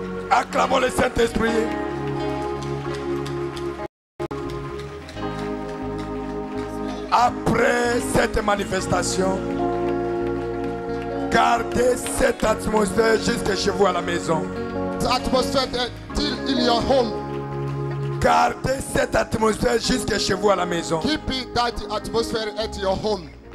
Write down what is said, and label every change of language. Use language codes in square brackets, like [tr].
[fr] Acclamons le Saint-Esprit. Après cette manifestation, gardez cette atmosphère jusque chez vous à la maison. [en] Atmosphère in your home. [fr] Gardez cette atmosphère jusque chez vous à la maison. [en] Keep that atmosphere at your home.